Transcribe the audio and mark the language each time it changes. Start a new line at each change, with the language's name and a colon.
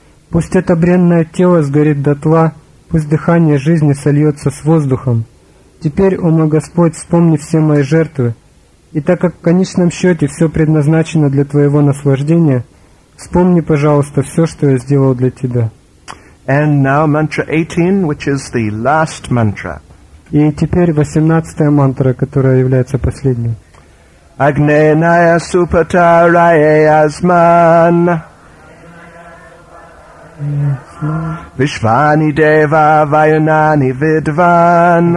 Russian: Пусть это бренное тело сгорит дотла, пусть дыхание жизни сольется с воздухом. Теперь, о мой Господь, вспомни все мои жертвы. И так как в конечном счете все предназначено для Твоего наслаждения, Вспомни, пожалуйста, все, что я сделал для тебя.
English: And now mantra 18, which is the last mantra.
Russian: И теперь 18-я мантра, которая является последней.
Sanskrit: Агнея супата рая азман. Вишвани дева ваюнани видван.